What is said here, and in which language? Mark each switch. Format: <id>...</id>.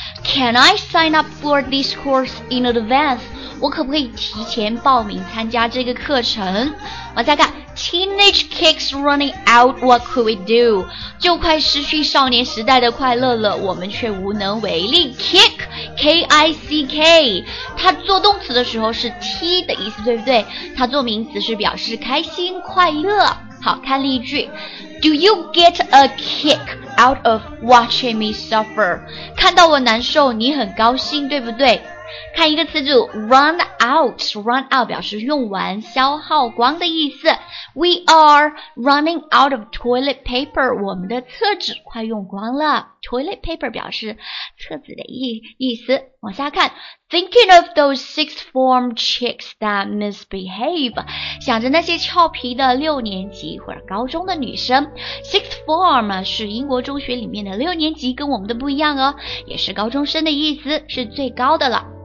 <en>Can I sign up for this course in advance，</en> <zh>我可不可以提前报名参加这个课程。我再看，</zh> <en>Teenage kicks running out, what could we do，</en> <zh>就快失去少年时代的快乐了，我们却无能为力。 Kick, K-I-C-K， 它做动词的时候是踢的意思，对不对？它做名词是表示开心快乐。好，看例句，</zh> <en>Do you get a kick out of watching me suffer，</en> <zh>看到我难受你很高兴，对不对？看一个词组， run out 表示用完消耗光的意思。</zh> <en>We are running out of toilet paper，</en> <zh>我们的厕纸快用光了。 toilet paper 表示厕纸的意思。往下看，</zh> <en>Thinking of those sixth form chicks that misbehave，</en> <zh>想着那些俏皮的六年级或者高中的女生。 sixth form 是英国中学里面的六年级，跟我们的不一样哦，也是高中生的意思，是最高的了。</zh>